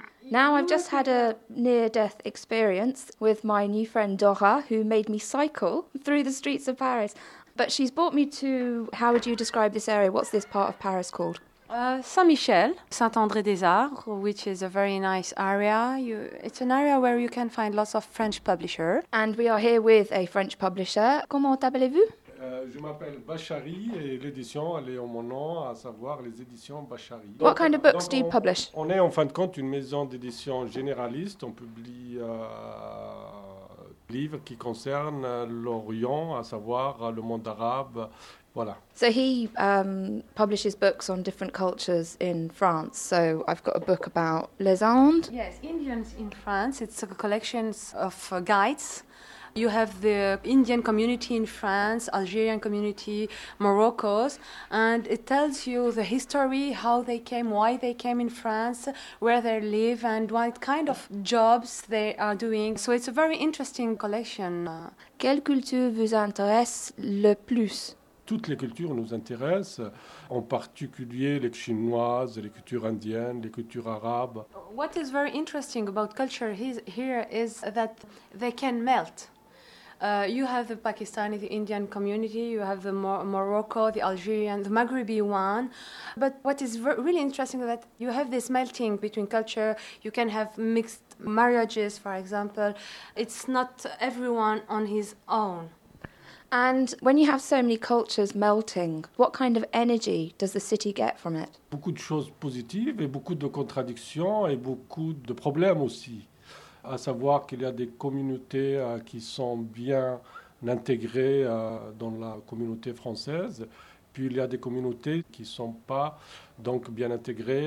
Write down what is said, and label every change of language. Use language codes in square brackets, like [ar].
[en] Now, I've just had a near-death experience with my new friend Dora, who made me cycle through the streets of Paris. But she's brought me to, how would you describe this area? What's this part of Paris called? Saint-Michel, Saint-André-des-Arts, which is a very nice area. It's an area where you can find lots of French publishers. And we are here with a French publisher. [fr] Comment t'appelez-vous? Je m'appelle Bachary et l'édition, elle est en mon nom, à savoir les éditions Bachary. [en] What kind of books do you publish? [fr] On est en fin de compte une maison d'édition généraliste. On publie livres qui concernent l'Orient, à savoir le monde arabe. Voilà. [en] So he publishes books on different cultures in France. So I've got a book about Les Andes. Yes, Indians in France. It's a collection of guides. You have the Indian community in France, Algerian community, Morocco's, and it tells you the history, how they came, why they came in France, where they live, and what kind of jobs they are doing. So it's a very interesting collection. [fr] Quelle culture vous intéresse le plus? Toutes les cultures nous intéressent, en particulier les chinoises, les cultures indiennes, les cultures arabes. [en] What is very interesting about culture here is that they can melt. You have the Pakistani, the Indian community, you have the Morocco, the Algerian, the Maghrebi one. But what is really interesting is that you have this melting between culture. You can have mixed marriages, for example. It's not everyone on his own. And when you have so many cultures melting, what kind of energy does the city get from it? [fr] Beaucoup de choses positives et beaucoup de contradictions et beaucoup de problèmes aussi. À savoir qu'il y a des communautés qui sont bien intégrées dans la communauté française, puis il y a des communautés qui ne sont pas donc bien intégrées.